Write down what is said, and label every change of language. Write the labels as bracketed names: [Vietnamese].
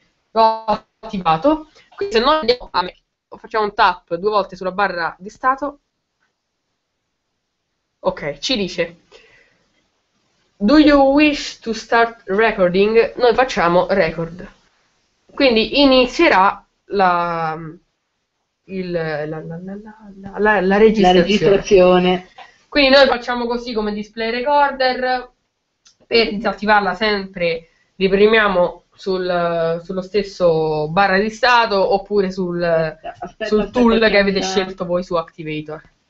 [Italian] l'ho attivato, quindi se non andiamo a me, facciamo un tap 2 volte sulla barra di stato. Ok, ci dice [English] Do you wish to start recording? [Italian] Noi facciamo record. Quindi inizierà la registrazione. La registrazione. Quindi noi facciamo così come display recorder, per disattivarla sempre riprimiamo sullo stesso barra di stato oppure sul tool che avete scelto voi su Activator.